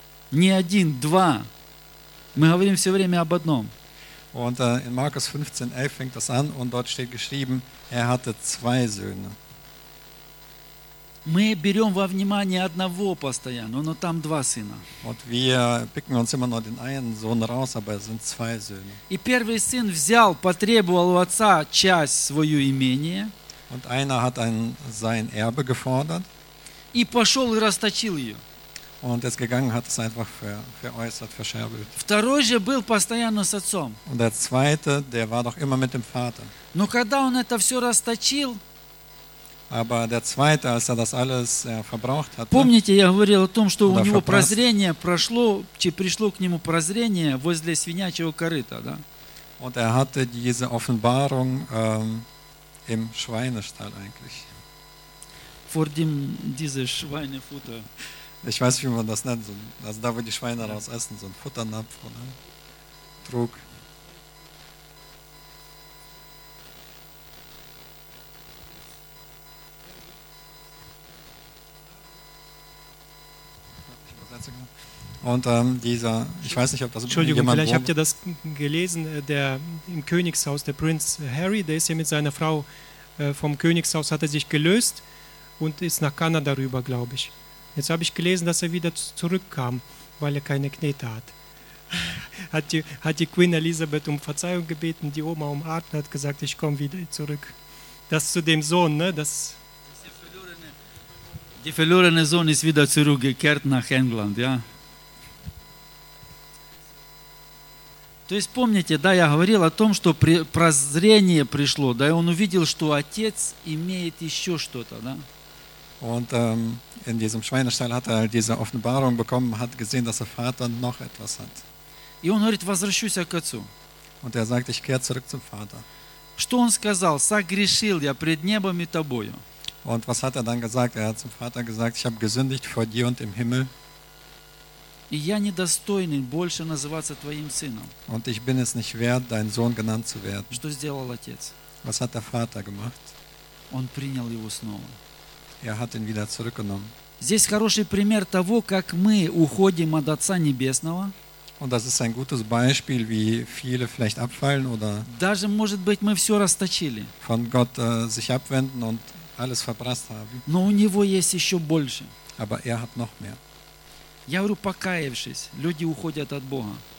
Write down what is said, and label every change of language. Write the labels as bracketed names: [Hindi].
[Russian] Не один, два. Мы говорим все время об одном. [German] Und in Markus 15,11 fängt das an und dort steht geschrieben, hatte zwei Söhne. [Russian] Мы берем во внимание одного постоянно, но там два сына. [German] Und wir picken uns immer nur den einen Sohn raus, aber es sind zwei Söhne. [Russian] И первый сын взял, потребовал у отца часть свое имение. [German] Und einer hat sein Erbe gefordert. [Russian] И пошел и расточил ее. [German] Und ist gegangen, hat es einfach veräußert, verscherbelt. [Russian] Второй же был постоянно с отцом. [German] Und der zweite, der war doch immer mit dem Vater. [Russian] Но когда он это все расточил, [German] Aber der zweite, als das alles verbraucht hatte, [Russian] помните, я говорил о том, что у него прозрение прошло, пришло к нему прозрение возле свинячьего корыта, да? [German] Und hatte diese Offenbarung im Schweinestall eigentlich. Vor dem diese Schweinefutter. Ich weiß, wie man das nennt, also da, wo die Schweine raus essen, so ein Futternapf oder Trug. Und dieser, ich weiß nicht, ob das Entschuldigung, jemand vielleicht habt ihr das gelesen, der im Königshaus, der Prinz Harry, der ist ja mit seiner Frau vom Königshaus, hat er sich gelöst und ist nach Kanada rüber, glaube ich. Jetzt habe ich gelesen, dass er wieder zurückkam, weil er keine Knete hat. Hat die Queen Elizabeth um Verzeihung gebeten, die Oma umarmt und hat gesagt, ich komme wieder zurück. Das zu dem Sohn, ne? Das der verlorene Sohn ist wieder zurückgekehrt nach England, ja. [Russian] То есть помните, да, я говорил о том, что прозрение пришло, да, и он увидел, что отец имеет еще что-то, да? [German] Und in diesem Schweinestall hat diese Offenbarung bekommen, hat gesehen, dass Vater noch etwas hat. [Russian] И он говорит, возвращусь к отцу. [German] Und sagt, ich kehre zurück zum Vater. [Russian] Что он сказал? Согрешил я пред небом и тобою. [German] Und was hat dann gesagt? Hat zum Vater gesagt, ich habe gesündigt vor dir und im Himmel. [Russian] И я недостойный больше называться твоим сыном. [German] Und ich bin es nicht wert, dein Sohn genannt zu werden. [Russian] Что сделал отец? [German] Was hat der Vater gemacht? [Russian] Он принял его снова. [German] Er hat ihn wieder zurückgenommen. [Russian] Здесь хороший пример того, как мы уходим от Отца Небесного. [German] Und das ist ein gutes Beispiel, wie viele vielleicht abfallen oder [Russian] даже, может быть, мы все расточили. [German] Von Gott sich abwenden und alles verprasst haben. [Russian] Но у него есть еще больше. [German] Aber er hat noch mehr. [Russian] Я говорю, покаявшись, люди уходят от Бога.